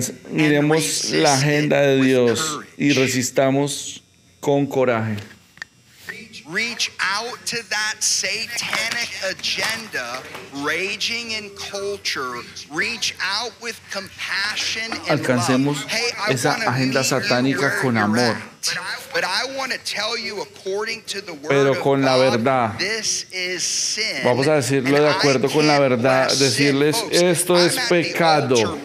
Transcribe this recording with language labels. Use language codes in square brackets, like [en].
[es] Miremos la agenda de Dios y resistamos con coraje. [en] Reach out to that satanic agenda raging in culture. Reach out with compassion and love. [es] Alcancemos esa agenda satánica con amor. [en] But I want to tell you, according to the word, [es] pero con la verdad, [en] this is sin. [es] Vamos a decirlo de acuerdo con la verdad, decirles esto es pecado.